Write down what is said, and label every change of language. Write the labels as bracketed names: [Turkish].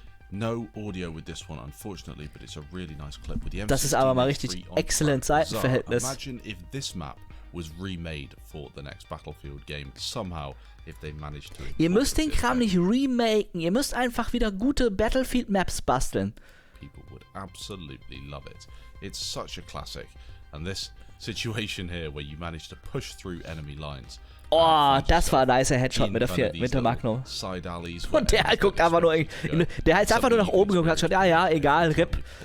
[English] No audio with this one, unfortunately, but it's a really nice clip with the MC. [German] Das ist aber mal richtig exzellent Seitenverhältnis. [English] So, imagine if this map was remade for the next Battlefield game somehow, if they managed to. [German] Ihr müsst den Kram nicht remaken. Ihr müsst einfach wieder gute Battlefield-Maps basteln. [English] People would absolutely love it. It's such a classic. And this situation here where you manage to push through enemy lines. [German] Oh, das war ein nicer Headshot mit der Magnum. [English] Side alleys. [German] Und der guckt einfach nur der hat einfach nur nach oben geguckt, schon ja, egal, RIP.